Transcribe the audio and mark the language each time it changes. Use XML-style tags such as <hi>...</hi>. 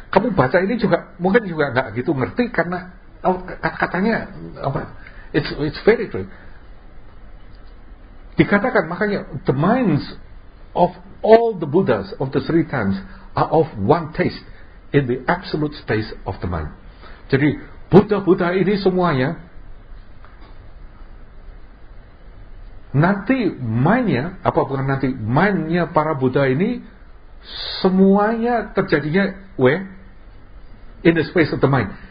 <id>Kamu baca ini juga mungkin juga enggak gitu ngerti karena katanya apa?</id> <en>It's very true.</en> <id>Dikatakan makanya</id> <en>the minds of all the Buddhas of the three times are of one taste in the absolute space of the mind.</en> <id>Jadi Buddha-Buddha ini semuanya nanti mindnya, apa bukan nanti mindnya para Buddha ini semuanya terjadinya</id> <en>where? In the space of the mind.</en>